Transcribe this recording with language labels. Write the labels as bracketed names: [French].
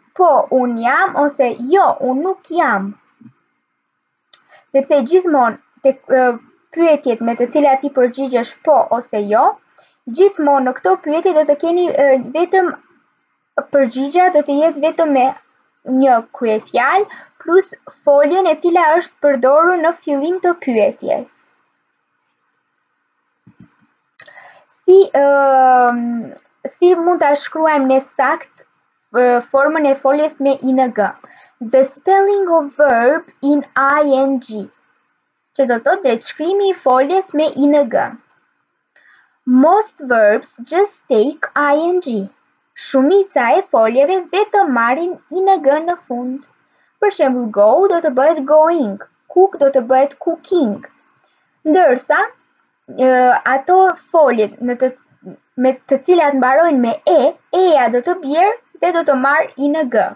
[Albanian] Po, unë jam, ose jo, unë nuk jam. Sepse gjithmonë të pyetjet me të cilat ti përgjigjesh po ose jo, gjithmonë në këto pyetje do të keni vetëm përgjigja do të jetë vetëm me një kryefjalë plus foljen e cila është përdorur në fillim të pyetjes. Si mund ta shkruajmë ne sakt formën e foljes me ing? [English] The spelling of verb in ing. [Albanian] Që do të thotë drejtshkrimi i foljes me ing. [English] Most verbs just take ing. [Albanian] Shumica e foljeve vetëm marrin ing në fund. Për shembull, go do të bëhet going, cook do të bëhet cooking. Ndërsa ato foljet me të cilat mbarojnë me e, e-ja do të bjerë dhe do të marrë ing.